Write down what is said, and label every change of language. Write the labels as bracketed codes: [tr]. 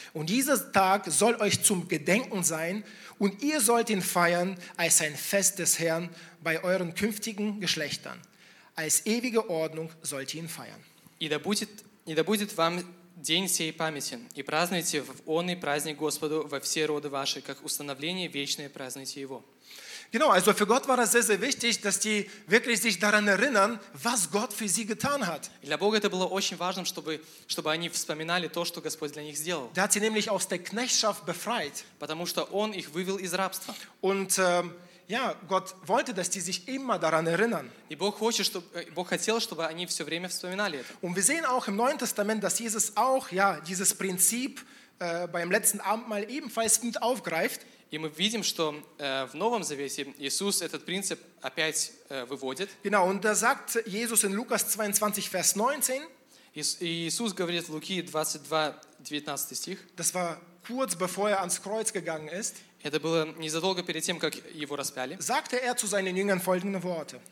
[de] Und dieser Tag soll euch zum Gedenken sein und ihr sollt ihn feiern als ein Fest des Herrn bei euren künftigen Geschlechtern. Als ewige Ordnung sollt ihr ihn feiern. [ru] И да будет вам день сей памятен, и празднуйте в он и праздник Господу во все роды ваши, как установление вечное празднуйте его. [de] Genau, also für Gott war das sehr, sehr wichtig, dass die wirklich sich daran erinnern, was Gott für sie getan hat. [ru] Для Бога это было очень важным, чтобы они вспоминали то, что Господь для них сделал. [de] Der hat sie nämlich aus der Knechtschaft befreit. [ru] Потому что он их вывел из рабства. [de] Und ja, Gott wollte, dass die sich immer daran erinnern. [ru] И Бог хотел, чтобы они все время вспоминали это. [de] Und wir sehen auch im Neuen Testament, dass Jesus auch ja dieses Prinzip beim letzten Abendmahl ebenfalls mit aufgreift. [ru] И мы видим, что в Новом Завете Иисус этот принцип опять выводит. [de] Genau, und da sagt Jesus in Lukas 22, Vers 19. [ru] Иисус говорит в Луки 22, 19 стих. [de] Das war kurz bevor ans Kreuz gegangen ist. [ru] Это было незадолго перед тем, как его распяли. [de] Sagte zu seinen Jüngern folgende Worte.